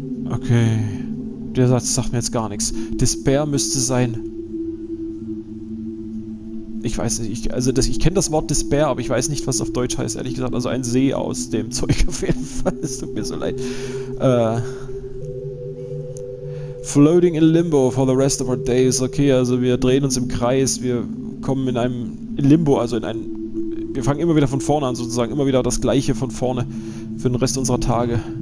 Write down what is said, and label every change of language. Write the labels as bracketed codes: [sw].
[de] Okay. Der Satz sagt mir jetzt gar nichts. Despair müsste sein... Ich weiß nicht, ich kenne das Wort Despair, aber ich weiß nicht, was es auf Deutsch heißt, ehrlich gesagt. Also ein See aus dem Zeug, auf jeden Fall. Es tut mir so leid. [en] Floating in limbo for the rest of our days. [de] Okay, also wir drehen uns im Kreis, wir kommen in einem Limbo, also in einem... Wir fangen immer wieder von vorne an, sozusagen. Immer wieder das Gleiche von vorne für den Rest unserer Tage.